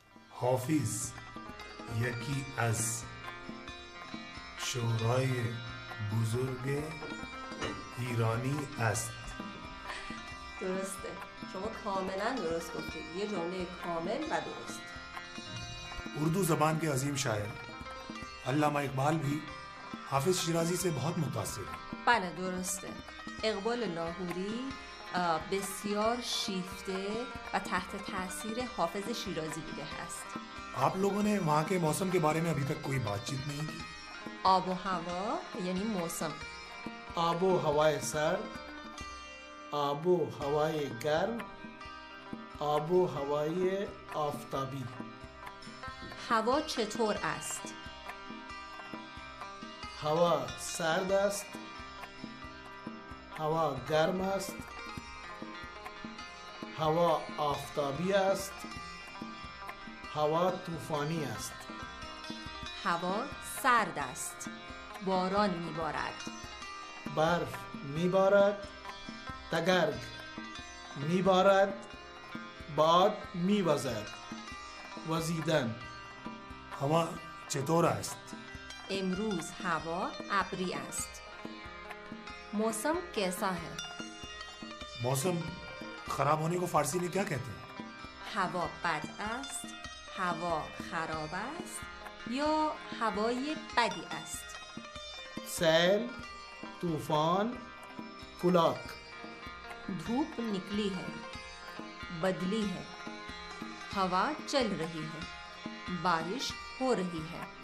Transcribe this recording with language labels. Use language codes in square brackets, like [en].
[fa] حافظ یکی از شعرهای بزرگ ایرانی است. درسته، شما کاملا درست گفتید. یه جمله کامل و درست. [ur] اردو زبان کے عظیم شاعر علامہ اقبال بھی حافظ شیرازی سے بہت متاثر ہیں. [fa] بله درسته، اقبال لاهوری بسیار شیفته و تحت تاثیر حافظ شیرازی بوده است. [ur] آپ لوگوں نے وہاں کے موسم کے بارے میں ابھی تک کوئی بات چیت نہیں کی. آب و ہوا یعنی موسم. آب و ہوائے سرد، آب و ہوائے گرم، آب و ہوائے آفتابی. [fa] ہوا چطور است؟ ہوا سرد است، ہوا گرم است، ہوا آفتابی است، هوا طوفانی است. هوا سرد است، باران می بارد، برف می بارد، تگرگ می بارد، باد می وزد. وزیدن. هوا چطور است؟ امروز هوا ابری است. [ur] موسم کیسا ہے؟ موسم خراب ہونے کو فارسی میں کیا کہتے ہیں؟ [fa] هوا بد است، هوا خراب است یا هوای بدی است. سیل، طوفان، کلاک. [ur] دھوپ نکلی ہے، بدلی ہے، ہوا چل رہی ہے، بارش ہو رہی ہے.